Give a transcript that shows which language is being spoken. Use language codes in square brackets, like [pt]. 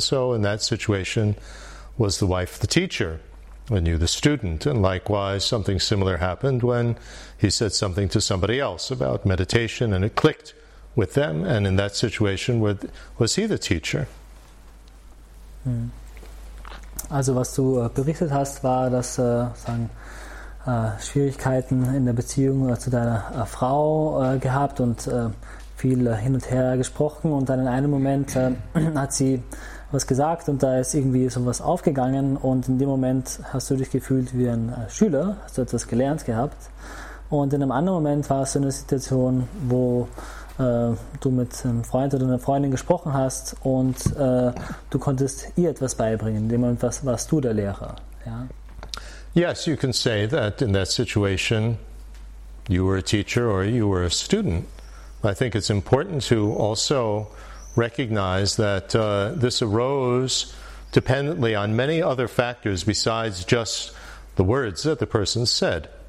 [en] And so in that situation was the wife the teacher and you the student. And likewise, something similar happened when he said something to somebody else about meditation and it clicked with them. And in that situation, was he the teacher? Mm. [de] Also was du berichtet hast, war, dass sagen, Schwierigkeiten in der Beziehung zu deiner Frau gehabt und viel hin und her gesprochen und dann in einem Moment hat sie was gesagt und da ist irgendwie sowas aufgegangen und in dem Moment hast du dich gefühlt wie ein Schüler, hast du etwas gelernt gehabt und in einem anderen Moment war es so eine Situation, wo du mit einem Freund oder einer Freundin gesprochen hast und du konntest ihr etwas beibringen. In dem Moment warst du der Lehrer. Ja? [en] Yes, you can say that in that situation you were a teacher or you were a student. I think it's important to also recognize that this arose dependently on many other factors besides just the words that the person said.